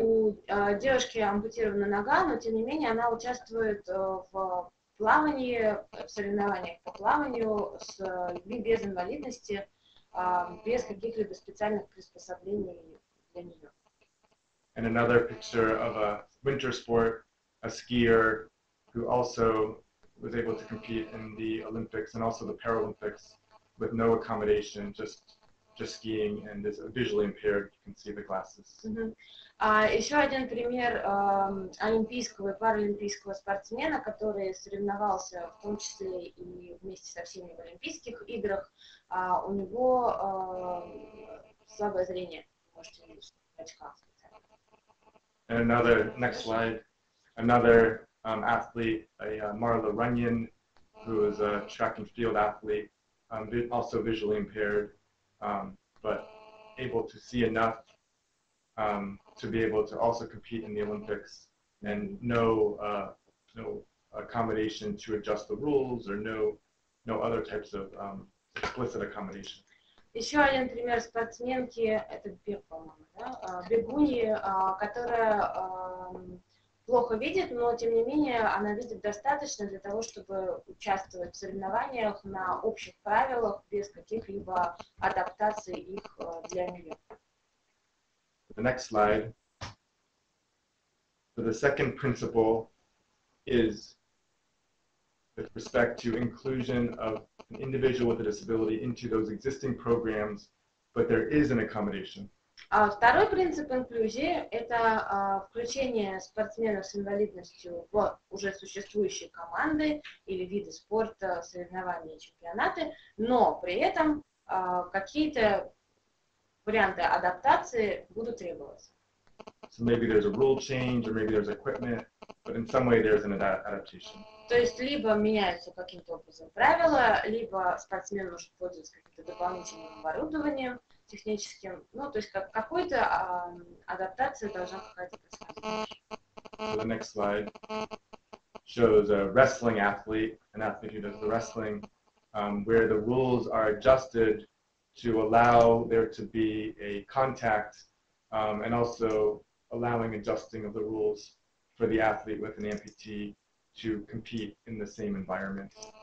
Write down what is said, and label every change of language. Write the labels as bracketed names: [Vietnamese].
[Russian] У девушки ампутирована нога, но тем не менее она участвует в плавании, в соревнованиях по плаванию с без инвалидности, без каких-либо специальных приспособлений для нее. [English] And another picture of a winter sport, a skier who also was able to compete in the Olympics and also the Paralympics with no accommodation, just skiing and is visually impaired. You can see the glasses. [Russian] Еще один пример олимпийского и паралимпийского спортсмена, который соревновался в том числе и вместе со всеми в олимпийских играх. У него слабое зрение, можете видеть, в очках. [English] Another next slide. Another athlete, a Marla Runyon, who is a track and field athlete, also visually impaired. But able to see enough to be able to also compete in the Olympics, and no accommodation to adjust the rules, or no other types of explicit accommodation. [Russian] Еще один пример спортсменки, это бег, по-моему, да, бегунья, которая плохо видит, но тем не менее она видит достаточно для того, чтобы участвовать в соревнованиях на общих правилах без каких-либо адаптаций их для нее. [English] The next slide. So the second principle is with respect to inclusion of an individual with a disability into those existing programs, but there is an accommodation. [Russian] Второй принцип инклюзии – это включение спортсменов с инвалидностью в уже существующие команды или виды спорта, соревнования, чемпионаты, но при этом какие-то варианты адаптации будут требоваться. [English] So maybe there's a rule change, or maybe there's equipment, but in some way there's an adaptation. [Russian] То есть либо меняются каким-то образом правила, либо спортсмен может пользоваться каким-то дополнительным оборудованием, техническим, ну, то есть как какой-то адаптация должна проходить. [English] So the next slide shows a wrestling athlete, an athlete who does the wrestling, where the rules are adjusted to allow there to be a contact, and also allowing adjusting of the rules for the athlete with an amputee to compete in the same environment.